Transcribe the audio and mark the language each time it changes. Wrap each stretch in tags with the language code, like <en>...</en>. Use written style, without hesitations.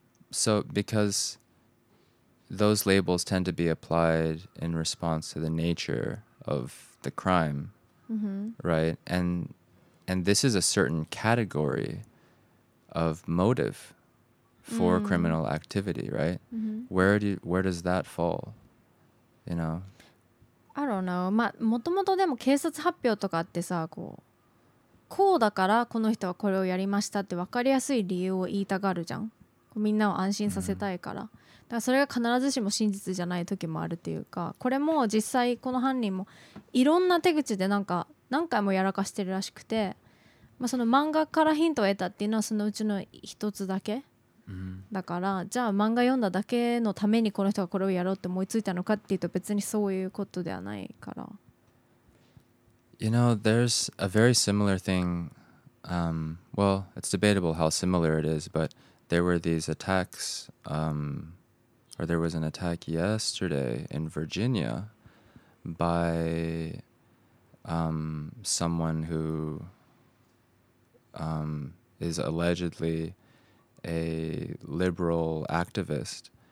<en>So because those labels tend to be applied in response to the nature of the crime, right? And this is a certain category of motive for criminal activity, right? Where does that fall? You know? I don't know.</en> <ja>まあ、もともとでも警察発表とかってさ、こうだからこの人はこれをやりましたって分かりやすい理由を言いたがるじゃん。こうみんなを安心させたいから。だからそれが必ずしも真実じゃない時もあるっていうか、これも実際この犯人もいろんな手口でなんか何回もやらかしてるらしくて、まあ、その漫画からヒントを得たっていうのはそのうちの一つだけ、だからじゃあ漫画読んだだけのためにこの人がこれをやろうって思いついたのかっていうと別にそういうことではないから。</ja> <en>You know, there's a very similar thing well, it's debatable how similar it is, but there were these attacks or there was an attack yesterday in Virginia bysomeone who is allegedly a liberal activist.</en>